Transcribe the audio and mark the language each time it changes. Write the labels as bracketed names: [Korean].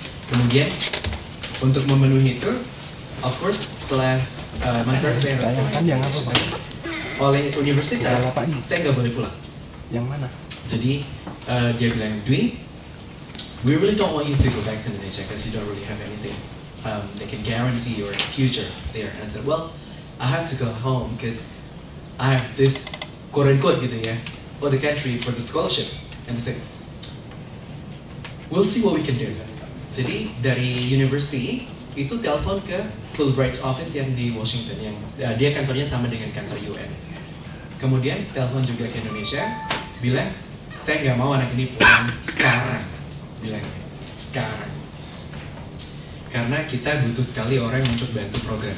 [Indonesian] Kemudian untuk memenuhi itu, of course setelah master saya harus kembali oleh universitas, saya nggak boleh pulang. Yang mana? Jadi dia bilang, [English] Dwi, we really don't want you to go back to Indonesia because you don't really have anything that can guarantee your future there. And I said, well, I have to go home because I have this Korean code gitu ya, or the country for the scholarship. And they said, we'll see what we can do. [Indonesian] Jadi dari university itu telepon ke Fulbright office yang di Washington, yang dia kantornya sama dengan kantor UN. Kemudian telepon juga ke Indonesia, bilang saya nggak mau anak ini pulang sekarang, bilangnya sekarang, karena kita butuh sekali orang untuk bantu program.